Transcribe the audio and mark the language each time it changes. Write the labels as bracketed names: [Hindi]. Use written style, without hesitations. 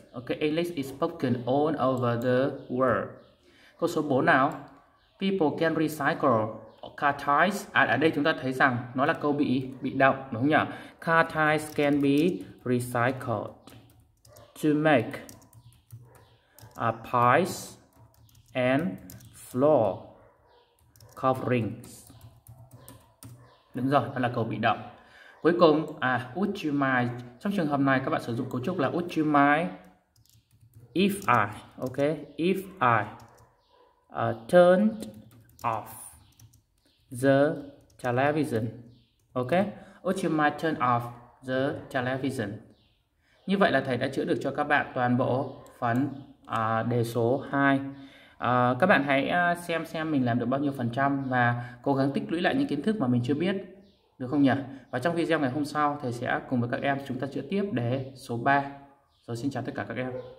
[English] Ok, English is spoken all over the world. [Vietnamese] Câu số 4 nào. [English] People can recycle car tires. [Vietnamese] À, ở đây chúng ta thấy rằng nó là câu bị động đúng không nhỉ? [English] Car tires can be recycled to make a pies and floor coverings. [Vietnamese] Đúng rồi, đó là câu bị động. Cuối cùng, à, would you mind? Trong trường hợp này các bạn sử dụng cấu trúc là [English] would you mind if I, okay, if I turned off the television. Ok, would you mind turn off the television? [Vietnamese] Như vậy là thầy đã chữa được cho các bạn toàn bộ phần đề số 2. Các bạn hãy xem mình làm được bao nhiêu phần trăm và cố gắng tích lũy lại những kiến thức mà mình chưa biết, được không nhỉ? Và trong video ngày hôm sau, thầy sẽ cùng với các em chúng ta chữa tiếp đề số 3. Rồi xin chào tất cả các em.